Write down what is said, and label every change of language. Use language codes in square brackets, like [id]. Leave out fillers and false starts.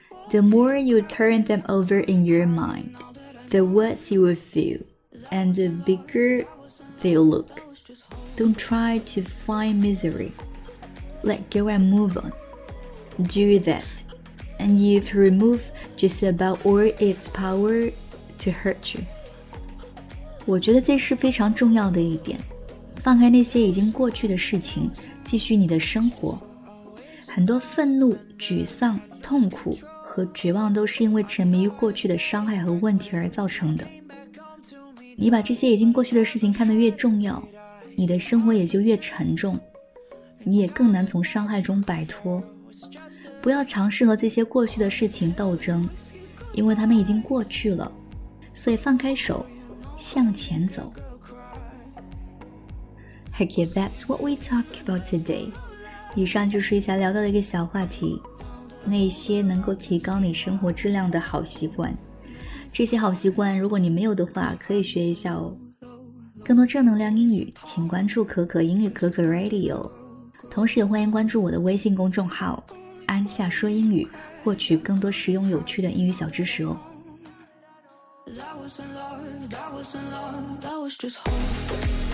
[en] The more you turn them over in your mind, the worse you will feel, and the bigger they'll look. Don't try to find misery. Let go and move on. Do that, and you've removed just about all its power to hurt you. [zh] 我觉得这是非常重要的一点，放开那些已经过去的事情，继续你的生活。很多愤怒、沮丧、痛苦和绝望都是因为沉迷于过去的伤害和问题而造成的。你把这些已经过去的事情看得越重要，你的生活也就越沉重，你也更难从伤害中摆脱。不要尝试和这些过去的事情斗争，因为他们已经过去了，所以放开手向前走。 [en] Okay, that's what we talk about today. [zh] 以上就是一下聊到的一个小话题，那些能够提高你生活质量的好习惯。这些好习惯如果你没有的话可以学一下哦。更多正能量英语请关注可可英语可可 Radio， 同时也欢迎关注我的微信公众号安夏说英语，获取更多实用有趣的英语小知识哦。 [en] That was in love, that was in love, that was just home.